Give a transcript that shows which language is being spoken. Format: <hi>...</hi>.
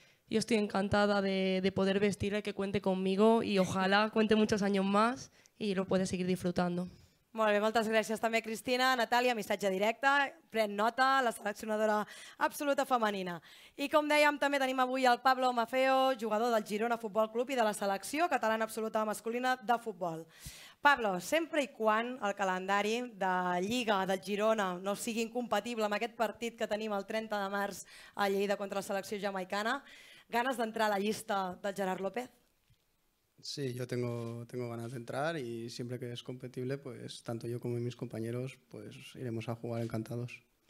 <es>Yo estoy encantada de poder vestirla y que cuente conmigo y ojalá cuente muchos años más y lo pueda seguir disfrutando.</es> <ca>Molt bé, moltes gràcies també, Cristina. Natàlia, missatge directe, pren nota, la seleccionadora absoluta femenina. I com dèiem, també tenim avui el Pablo Mafeo, jugador del Girona Futbol Club i de la selecció catalana absoluta masculina de futbol. Pablo, sempre i quan el calendari de Lliga del Girona no sigui incompatible amb aquest partit que tenim el 30 de març a Lleida contra la selecció jamaicana, ganes d'entrar a la llista del Gerard López?</ca> <es>Sí, yo tengo ganas de entrar y siempre que es compatible, pues tanto yo como mis compañeros, pues iremos a jugar encantados.</es>